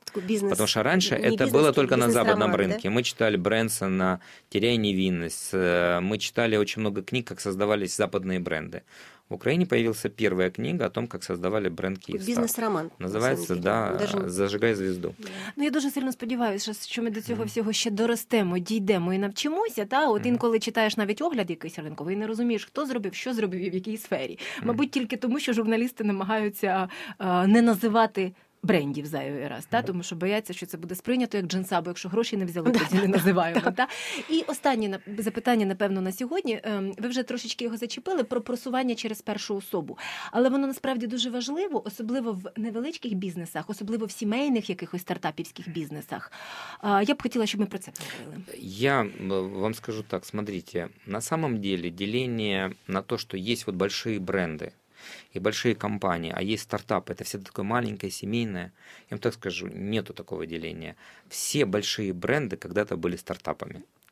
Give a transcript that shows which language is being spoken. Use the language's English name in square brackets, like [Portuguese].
[Russian] Бизнес, потому что раньше это бизнес, было только на западном рынке. Да? Мы читали Брэнсона «Теряя невинность», мы читали очень много книг, как создавались западные бренды. В Украине появилась первая книга о том, как создавали бренд «Киевстар». Бизнес-роман. Называется, «Зажигай звезду». [Ukrainian] Я дуже сильно сподіваюся, що ми до цього всього ще доростемо, дійдемо і навчимося. Та? От інколи читаєш навіть огляд якийсь ринковий, і не розумієш, хто зробив, що зробив і в якій сфері. Мабуть, тільки тому, що журналісти намагаються не називати брендів зайвий раз, та? Тому що бояться, що це буде сприйнято як джинса, бо якщо гроші не взяли, то не називаємо. Та? І останнє запитання, напевно, на сьогодні. Ви вже трошечки його зачепили про просування через першу особу. Але воно насправді дуже важливо, особливо в невеличких бізнесах, особливо в сімейних якихось стартапівських бізнесах. Я б хотіла, щоб ми про це поговорили. [Russian] Я вам скажу так, смотрите, на самом деле деление на то, [Ukrainian] що є от великі бренди, [Russian] и большие компании, а есть стартапы, это всегда такое маленькое, семейное. Я вам так скажу, нету такого деления. Все большие бренды когда-то были стартапами.